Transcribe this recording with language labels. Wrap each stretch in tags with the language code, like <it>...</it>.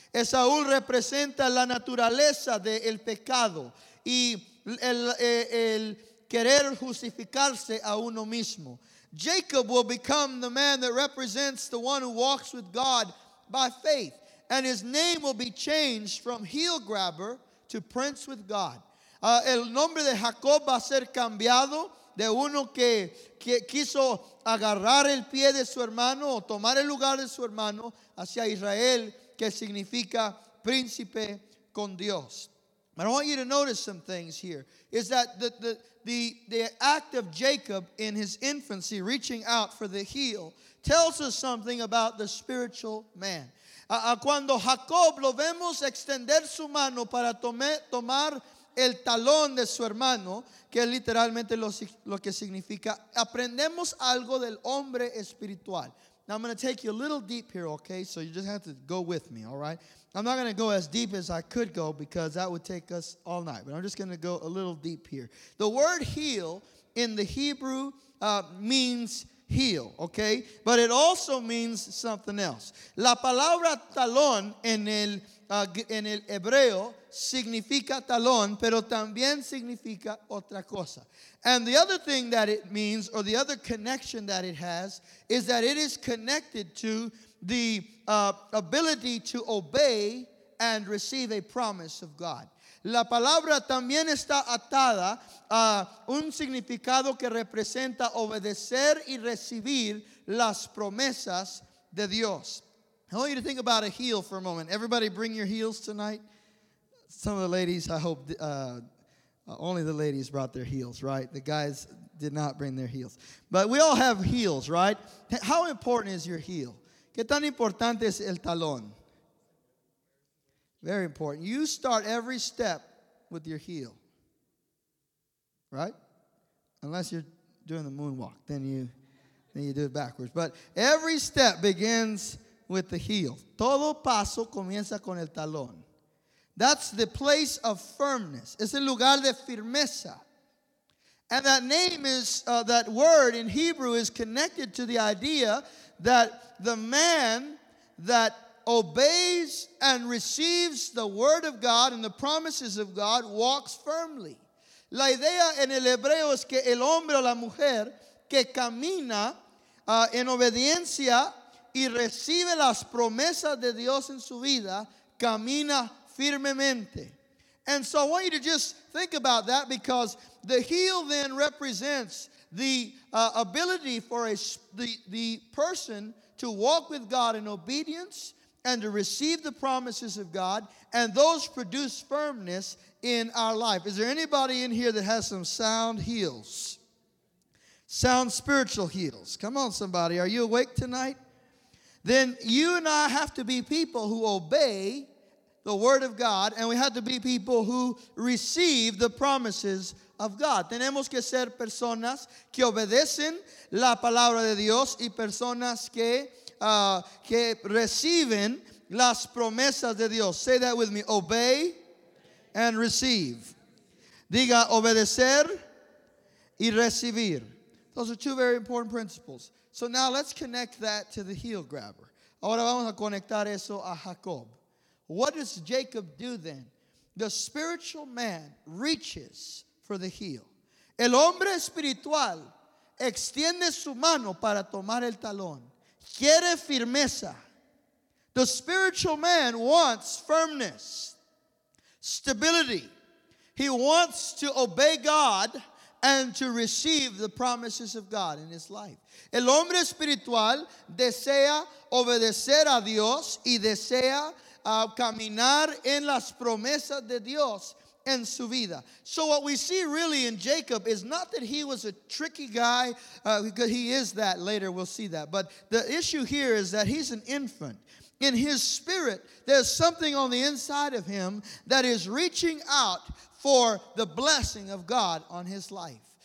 <es>Esaú representa la naturaleza del pecado y el querer justificarse a uno mismo.</es> <en>Jacob will become the man that represents the one who walks with God by faith. And his name will be changed from heel grabber to prince with God.</en> <es>El nombre de Jacob va a ser cambiado de uno que quiso agarrar el pie de su hermano o tomar el lugar de su hermano hacia Israel, que significa príncipe con Dios.</es> <en>But I want you to notice some things here. Is that the act of Jacob in his infancy reaching out for the heel tells us something about the spiritual man.</en> <es>Cuando Jacob lo vemos extender su mano para tomar el talón de su hermano, que es literalmente lo que significa, aprendemos algo del hombre espiritual.</es> <en>Now I'm going to take you a little deep here, okay? So you just have to go with me, all right? I'm not going to go as deep as I could go because that would take us all night. But I'm just going to go a little deep here. The word heel in the Hebrew means heel, okay? But it also means something else.</en> <es>La palabra talón en el hebreo significa talón, pero también significa otra cosa.</es> <en>And the other thing that it means, or the other connection that it has, is that it is connected to the ability to obey and receive a promise of God.</en> <es>La palabra también está atada a un significado que representa obedecer y recibir las promesas de Dios.</es> <en>I want you to think about a heel for a moment. Everybody bring your heels tonight. Some of the ladies, I hope, Only the ladies brought their heels, right? The guys did not bring their heels. But we all have heels, right? How important is your heel?</en> <es>¿Qué tan importante es el talón?</es> <en>Very important. You start every step with your heel, right? Unless you're doing the moonwalk, then you do it backwards. But every step begins with the heel.</en> <es>Todo paso comienza con el talón.</es> <en>That's the place of firmness.</en> <es>Es el lugar de firmeza.</es> <en>And that name is, that word in Hebrew is connected to the idea that the man that obeys and receives the word of God and the promises of God walks firmly.</en> <es>La idea en el hebreo es que el hombre o la mujer que camina en obediencia y recibe las promesas de Dios en su vida camina firmemente.</es> <en>And so I want you to just think about that, because the heel then represents the ability for the person to walk with God in obedience and to receive the promises of God, and those produce firmness in our life. Is there anybody in here that has some sound heels? Sound spiritual heels. Come on, somebody. Are you awake tonight? Then you and I have to be people who obey the word of God, and we have to be people who receive the promises of God.</en> <es>Tenemos que ser personas que obedecen la palabra de Dios y personas que reciben las promesas de Dios.</es> <en>Say that with me. Obey and receive.</en> <es>Diga obedecer y recibir.</es> <en>Those are two very important principles. So now let's connect that to the heel grabber.</en> <es>Ahora vamos a conectar eso a Jacob.</es> <en>What does Jacob do then? The spiritual man reaches for the heel.</en> <es>El hombre espiritual extiende su mano para tomar el talón. Quiere firmeza.</es> <en>The spiritual man wants firmness, stability. He wants to obey God and to receive the promises of God in his life.</en> <es>El hombre espiritual desea obedecer a Dios y desea caminar en las promesas de Dios en su vida.</es> <en>So what we see really in Jacob is not that he was a tricky guy, because he is that later, we'll see that. But the issue here is that he's an infant. In his spirit, there's something on the inside of him that is reaching out for the blessing of God on his life.</en>